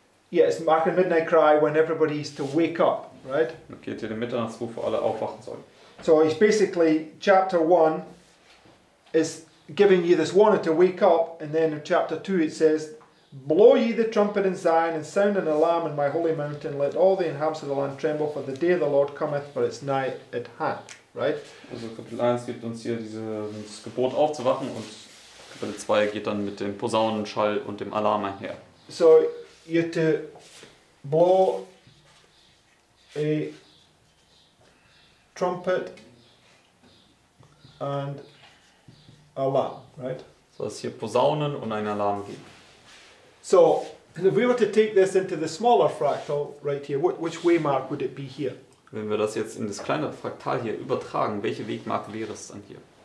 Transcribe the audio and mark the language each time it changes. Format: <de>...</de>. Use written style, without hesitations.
<en>Yeah, it's marking midnight cry when everybody is to wake up, right?</en> <de>Markiert hier den Mitternachtsruf, wo alle aufwachen sollen.</de> <en>So it's basically chapter 1 is giving you this warning to wake up, and then in chapter 2 it says, blow ye the trumpet in Zion and sound an alarm in my holy mountain, let all the inhabitants of the land tremble, for the day of the Lord cometh, for it's nigh at hand. Right?</en> <de>Also Kapitel 1 gibt uns hier dieses Gebot aufzuwachen, und Kapitel 2 geht dann mit dem Posaunenschall und dem Alarm einher.</de> <en>So you to blow a trumpet and alarm, right?</en> <de>So es hier Posaunen und ein Alarm gibt.</de> <en>So, and if we were to take this into the smaller fractal right here, which waymark would it be here?</en> <de>Wenn wir das jetzt in das kleine Fraktal hier übertragen, welche Wegmark wäre es dann hier?</de>